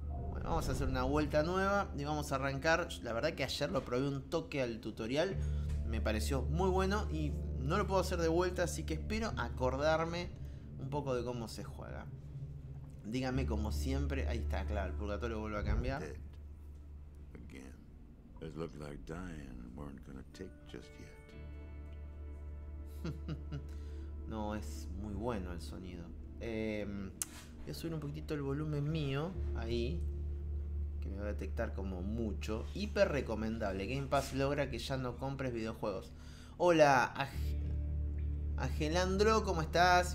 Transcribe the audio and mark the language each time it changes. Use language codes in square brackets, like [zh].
[es] Bueno, vamos a hacer una vuelta nueva y vamos a arrancar. La verdad que ayer lo probé un toque al tutorial. Me pareció muy bueno y no lo puedo hacer de vuelta, así que espero acordarme un poco de cómo se juega. Dígame como siempre. Ahí está, claro, el purgatorio vuelve a cambiar. [en] Again. It looked like dying weren't gonna take just yet. [es] No, es muy bueno el sonido. Voy a subir un poquitito el volumen mío ahí. Que me va a detectar como mucho. Hiper recomendable. Game Pass logra que ya no compres videojuegos. Hola, Agelandro, ¿cómo estás?